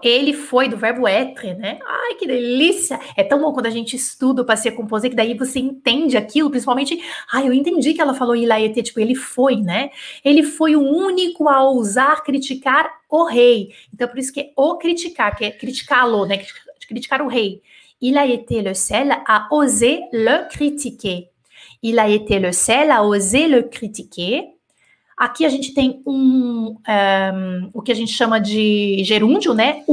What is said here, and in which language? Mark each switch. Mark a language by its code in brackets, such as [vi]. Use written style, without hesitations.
[pt] Ele foi do verbo être, né? Ai, que delícia! É tão bom quando a gente estuda o passé composé, que daí você entende aquilo, principalmente. Ai, eu entendi que ela falou [fr] il a été, [pt] tipo, ele foi, né? Ele foi o único a ousar criticar o rei. Então, por isso que é o criticar, que é criticá-lo, né? Criticar o rei. [fr] Il a été le seul à oser le critiquer. Il a été le seul à oser le critiquer. [pt] Aqui a gente tem o que a gente chama de gerúndio, né?